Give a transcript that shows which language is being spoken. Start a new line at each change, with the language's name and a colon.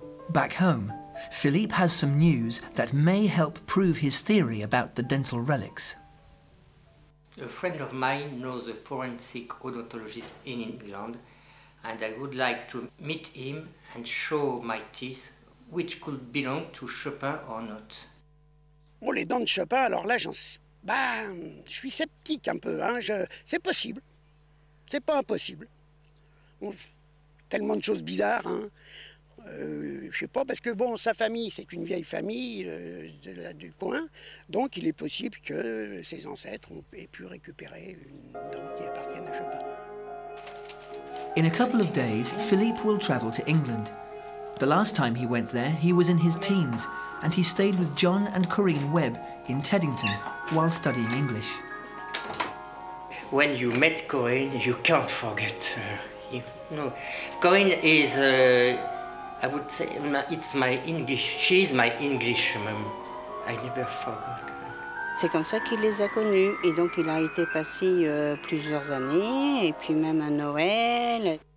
English: Back home, Philippe has some news that may help prove his theory about the dental relics. A friend of mine knows a forensic odontologist in England, and I would like to meet him and show my teeth, which could belong to Chopin or not.
French: Bon, les dents de Chopin, alors là, je suis sceptique un peu, hein. C'est possible. C'est pas impossible. Bon, tellement de choses bizarres, hein. Je sais pas, parce que bon, sa famille, c'est une vieille famille du coin, donc il est possible que ses ancêtres aient pu récupérer une dent qui appartienne à Chopin.
English: In a couple of days, Philippe will travel to England. The last time he went there, he was in his teens, and he stayed with John and Corinne Webb in Teddington while studying English. When you met Corinne, you can't forget her. Corinne is I would say it's my English. She is my English mom. I never forgot.
French: C'est comme ça qu'il les a connus, et donc il a été passé plusieurs années, et puis même à Noël.